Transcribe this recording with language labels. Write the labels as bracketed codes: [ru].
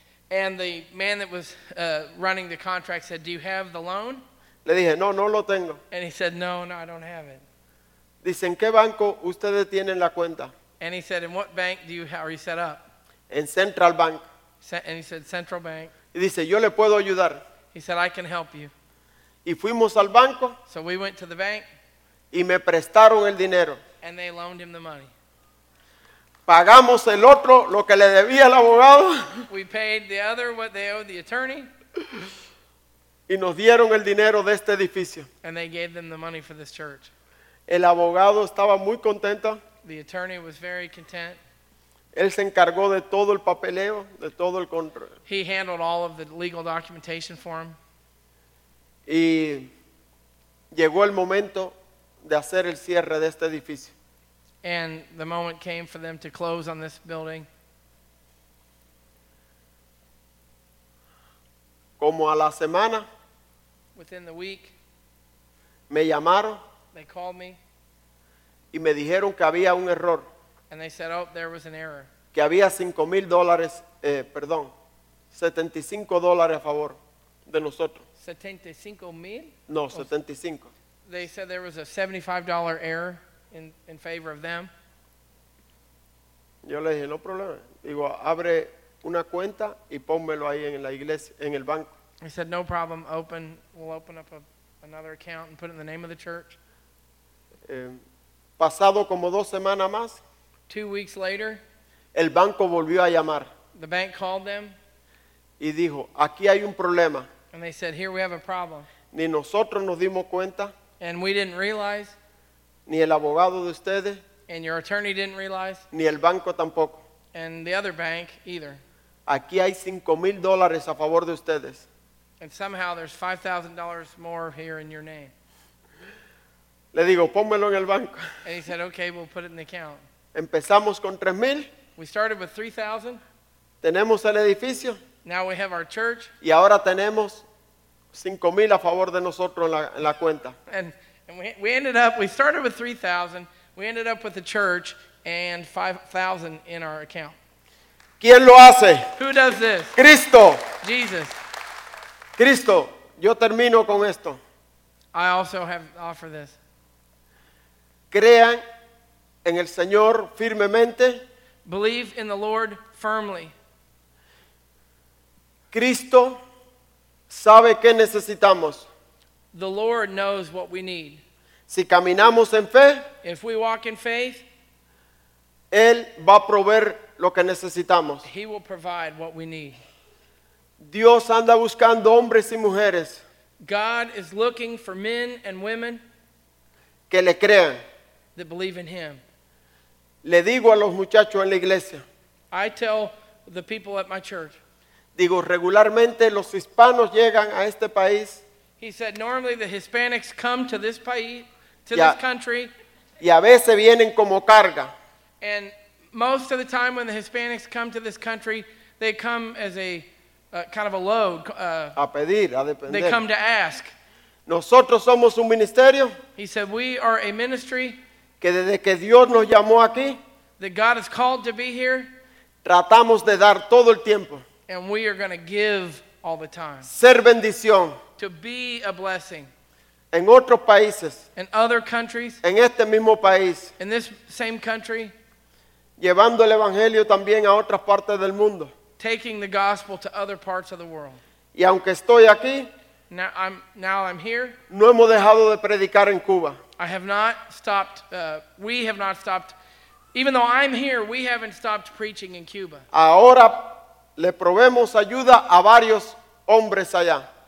[en] And the man that was running the contract said, do you have the loan? [es] Le dije, no, no lo tengo. [en] And he said, no, no, I don't have it. [es] Dice, ¿en qué banco ustedes tienen la cuenta? [en] And he said, in what bank are you set up? [es] En Central Bank. [en] And he said, Central Bank. [es] Y dice, yo le puedo ayudar. [en] He said, I can help you. [es] Y fuimos al banco. [en] So we went to the bank. [es] Y me prestaron el dinero. [en] And they loaned him the money. [es] Pagamos el otro lo que le debía el abogado. [en] We paid the other what they owed the attorney. [es] Y nos dieron el dinero de este edificio. [en] And they gave them the money for this church. [es] El abogado estaba muy contento. [en] The attorney was very content. [es] Él se encargó de todo el papeleo, de todo el control. [en] He handled all of the legal documentation for him. [es] Y llegó el momento de hacer el cierre de este edificio. [en] And the moment came for them to close on this building. [es] Como a la semana. [en] Within the week. [es] Me llamaron. [en] They called me. [es] Y me dijeron que había un error. [en] And they said, oh, there was an error. [es] Que había $5,000, perdón, $75 a favor de nosotros. [en] $75,000? [es] No, 75. [en] They said there was a $75 error. In favor of them. [es] Yo le dije, no problema. Digo, abre una cuenta y pónmelo ahí en la iglesia, en el banco. [en] He said, no problem. Open, we'll open up another account and put it in the name of the church. [es] Pasado como dos semanas más. [en] 2 weeks later. [es] El banco volvió a llamar. [en] The bank called them. [es] Y dijo, aquí hay un problema. [en] And they said, here we have a problem. [es] Ni nosotros nos dimos cuenta. [en] And we didn't realize. [es] Ni el abogado de ustedes. [en] And your attorney didn't realize. [es] Ni el banco tampoco. [en] And the other bank either. [es] Aquí hay $5,000 a favor de ustedes. [en] And somehow there's $5,000 more here in your name. [es] Le digo, pónmelo en el banco. [en] And he said, okay, we'll put it in the account. [es] Empezamos con 3,000. [en] We started with 3,000. [es] Tenemos el edificio. [en] Now we have our church. [es] Y ahora tenemos 5,000 a favor de nosotros en la cuenta. [en] And we ended up, we started with 3,000. We ended up with the church and 5,000 in our account. [es] ¿Quién lo hace? [en] Who does this? [es] Cristo. [en] Jesus. [es] Cristo, yo termino con esto. [en] I also have offer this. [es] Crean en el Señor firmemente. [en] Believe in the Lord firmly. [es] Cristo sabe qué necesitamos. [en] The Lord knows what we need. [es] Si caminamos en fe, [en] if we walk in faith, [es] Él va a proveer lo que necesitamos. [en] He will provide what we need. [es] Dios anda buscando hombres y mujeres. [en] God is looking for men and women [es] que le crean. [en] That believe in him. [es] Le digo a los muchachos en la iglesia. [en] I tell the people at my church. [es] Digo, regularmente los hispanos llegan a este país. [en] He said, normally the Hispanics come to this país, to this country. [es] Y a veces vienen como carga. [en] And most of the time when the Hispanics come to this country, they come as a kind of a load. [es] A pedir, a depender. [en] They come to ask. [es] Nosotros somos un ministerio. [en] He said, we are a ministry. [es] Que desde que Dios nos llamó aquí, [en] that God has called to be here, [es] tratamos de dar todo el tiempo. [en] And we are going to give all the time. [es] Ser bendición. [en] To be a blessing. [es] En otros países. [en] In other countries. [es] En este mismo país. [en] In this same country. [es] Llevando el evangelio también a otras partes del mundo. [en] Taking the gospel to other parts of the world. [es] Y aunque estoy aquí, [en] now I'm here. [es] No hemos dejado de predicar en Cuba. [en] I have not stopped, we have not stopped, even though I'm here, we haven't stopped preaching in Cuba. [es] Ahora le proveemos ayuda a varios hombres allá.